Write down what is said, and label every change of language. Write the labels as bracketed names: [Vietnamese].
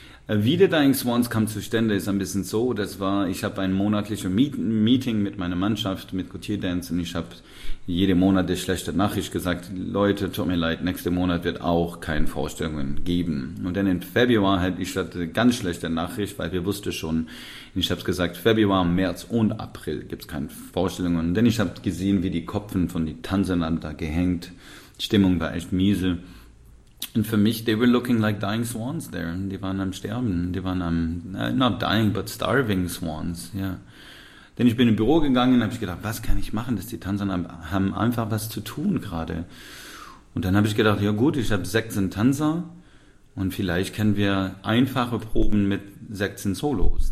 [German] Wie The Dying Swans kam zustande, ist ein bisschen so, ich habe ein monatliches Meeting mit meiner Mannschaft, mit Gautier Dance und ich habe jeden Monat eine schlechte Nachricht gesagt, Leute, tut mir leid, nächsten Monat wird auch keine Vorstellungen geben. Und dann im Februar hatte ich eine ganz schlechte Nachricht, weil wir wussten schon, ich habe gesagt, Februar, März und April gibt es keine Vorstellungen. Denn ich habe gesehen, wie die Köpfe von den Tänzern da gehängt, die Stimmung war echt miese. Und für mich, [English] they were looking like dying swans there. [German] Die waren am Sterben, die waren am, [English] not dying, but starving swans, [German] ja. [English] Yeah. [German] Denn ich bin im Büro gegangen und habe gedacht, was kann ich machen, dass die Tänzer haben einfach was zu tun gerade. Und dann habe ich gedacht, ja gut, ich habe 16 Tänzer und vielleicht können wir einfache Proben mit 16 Solos.